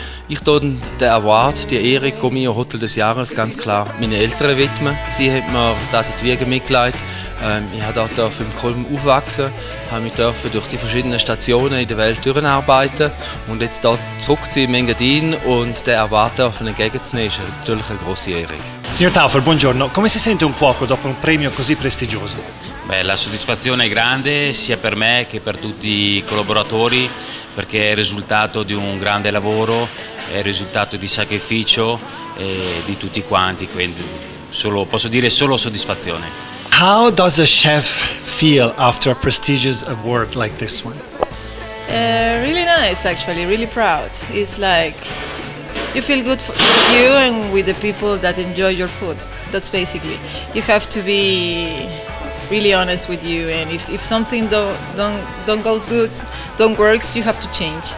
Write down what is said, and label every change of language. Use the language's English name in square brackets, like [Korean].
[German] Ich würde den Award, die Ehre, GaultMillau Hotel des Jahres, ganz klar meinen Eltern widmen. Sie haben mir das in die Wiege mitgelegt. Ich durfte dort im Kulm aufwachsen, habe mich durch die verschiedenen Stationen in der Welt durcharbeiten. Und jetzt hier zurück zu im Engadin und den Award entgegenzunehmen, ist natürlich eine grosse Ehre. [Italian] Signor Taufer, buongiorno. Come si sente un cuoco dopo un premio così prestigioso? Beh, la soddisfazione è grande sia per me che per tutti i collaboratori, perché è il risultato di un grande lavoro, è il risultato di sacrificio di tutti quanti, quindi solo, posso dire solo soddisfazione. [English] How does a chef feel after a prestigious award like this one? Really nice, actually, really proud. It's like you feel good for you and with the people that enjoy your food. That's basically. You have to be really honest with you, and if something don't goes good, don't works, you have to change.